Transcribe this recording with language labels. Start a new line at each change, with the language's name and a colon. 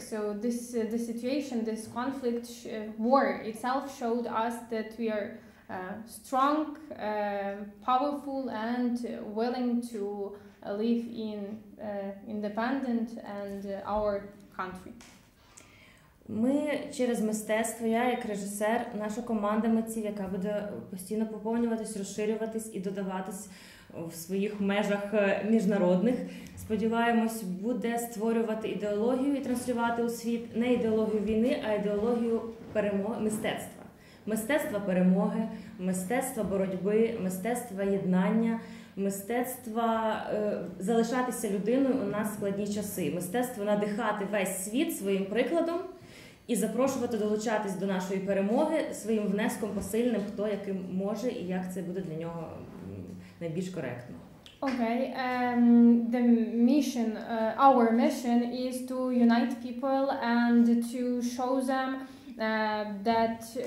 English: So this the situation, this conflict, war itself showed us that we are strong, powerful and willing to live in independent and our country.
Ukrainian: Ми через мистецтво, я як режисер, наша команда митців, яка буде постійно поповнюватись, розширюватись і додаватись в своїх межах міжнародних, сподіваємось, буде створювати ідеологію і транслювати у світ не ідеологію війни, а ідеологію перемоги мистецтва. Мистецтва перемоги, мистецтва боротьби, мистецтва єднання, мистецтва залишатися людиною у нас складні часи, мистецтво надихати весь світ своїм прикладом і запрошувати долучатись до нашої перемоги своїм внеском посильним, хто яким може і як це буде для нього найбільш коректно.
English: Okay, the mission, our mission is to unite people and to show them that